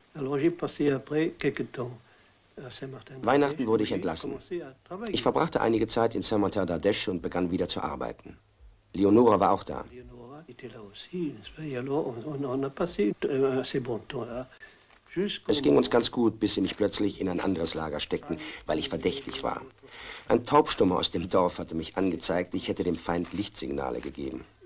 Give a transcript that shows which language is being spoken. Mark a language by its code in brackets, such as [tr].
[fr] Alors j'ai passé après quelques temps à Saint-Martin. [de] Weihnachten wurde ich entlassen. Ich verbrachte einige Zeit in Saint-Martin-d'Ardèche und begann wieder zu arbeiten. Leonora war auch da. [fr] Leonora était là aussi. Alors on a passé assez bon temps là. [de] Es ging uns ganz gut, bis sie mich plötzlich in ein anderes Lager steckten, weil ich verdächtig war. Ein Taubstummer aus dem Dorf hatte mich angezeigt, ich hätte dem Feind Lichtsignale gegeben.